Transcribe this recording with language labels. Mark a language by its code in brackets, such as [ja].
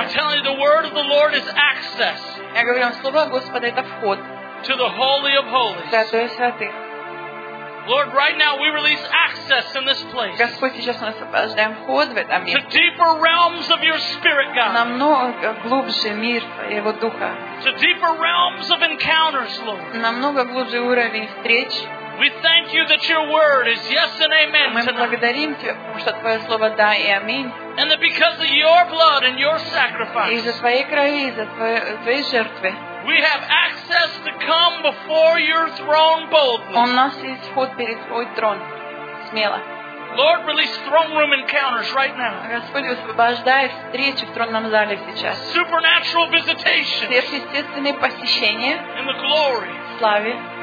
[en] I'm telling you, the word of the Lord is access. [ru] Я говорю вам, слово Господа — это вход. [en] To the holy of holies. [ru] Святой святых. [en] Lord, right now we release access in this place. [ru] Господь, сейчас мы освобождаем вход в этом месте. [en] To deeper realms of your spirit, God. [ru] Намного глубже мир Его духа. [en] To deeper realms of encounters, Lord. [ru] Намного глубже уровень встреч. [en] We thank you that your word is yes and amen. [ru] Мы благодарим тебя, потому что твое слово да и аминь. [en] And that because of your blood and your sacrifice. [ru] Из-за твоей крови, из-за твоей жертвы. [en] We have access to come before your throne boldly. [ru] У нас есть вход перед твой трон смело. [en] Lord, release throne room encounters right now. [ru] Господь, освобождай встречи в тронном зале сейчас. [en] Supernatural visitation. [ru] Сверхъестественные посещения. [en] In the glory. [ru] Славе.